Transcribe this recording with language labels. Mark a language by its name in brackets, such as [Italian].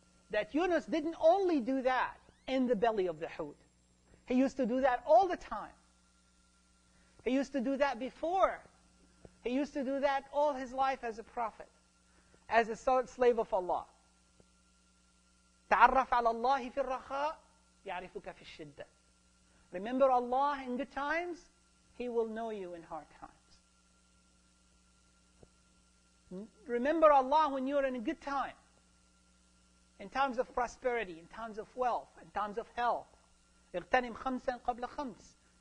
[English] That Yunus didn't only do that in the belly of the Hoot. He used to do that all the time. He used to do that before. He used to do that all his life as a prophet, as a slave of Allah. [Arabic] تعرف على الله في الرخاء يعرفك في الشدة. [English] Remember Allah in good times, He will know you in hard times. Remember Allah when you're in a good time. In times of prosperity, in times of wealth, in times of health. [Arabic] اغتنم خمسا قبل خمس.